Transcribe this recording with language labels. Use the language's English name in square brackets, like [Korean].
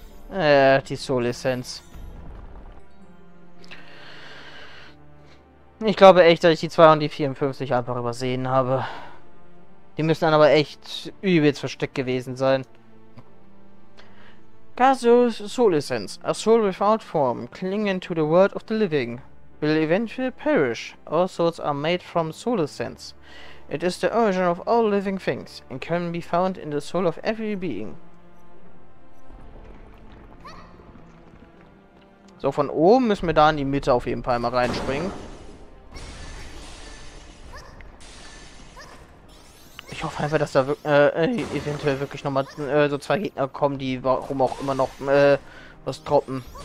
[German] Die Soul-Essenz. Ich glaube echt, dass ich die 2 und die 54 einfach übersehen habe. Die müssen dann aber echt übelst versteckt gewesen sein. Gazos Soul-Essenz. [English] A soul without form, clinging to the world of the living, will eventually perish. All souls are made from Soul-Essenz. It is the origin of all living things, and can be found in the soul of every being. [German] So, von oben müssen wir da in die Mitte auf jeden Fall mal reinspringen. Ich hoffe einfach, dass da eventuell wirklich nochmal so zwei Gegner kommen, die warum auch immer noch was droppen.